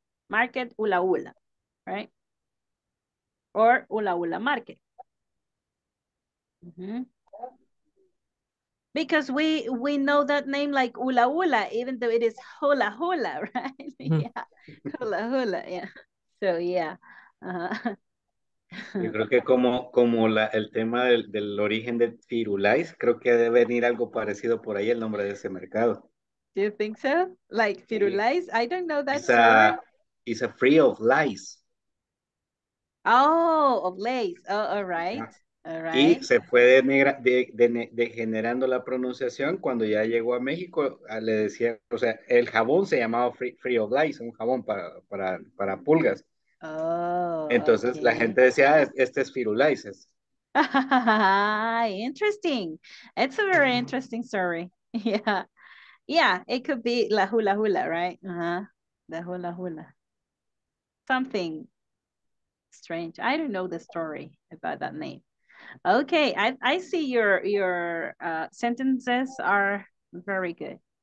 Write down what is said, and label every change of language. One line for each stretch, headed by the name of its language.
English: Market Hula Hula, right? Or Hula Hula Market. Mm-hmm. Because we know that name like Hula Hula, even though it is Hula Hula, right? Yeah, Hula Hula, yeah. So yeah.
Spanish: Yo creo que como el tema del origen de Firulais, creo que debe venir algo parecido por ahí el nombre de ese mercado.
English: Do you think so? Like Firulais? Sí. I don't know that. It's a free of lies. Oh, of lies. Oh, all right. Yeah. All right.
Spanish: Y se fue degenerando la pronunciación cuando ya llegó a México, le decía, o sea, el jabón se llamaba free of lies, un jabón para pulgas.
English: Oh,
Spanish: entonces okay. La gente decía, este es Firulais.
English: Interesting. It's a very interesting story. Yeah, it could be la hula hula, right? Uh-huh. The hula hula. Something strange. I don't know the story about that name. Okay, I see your sentences are very good.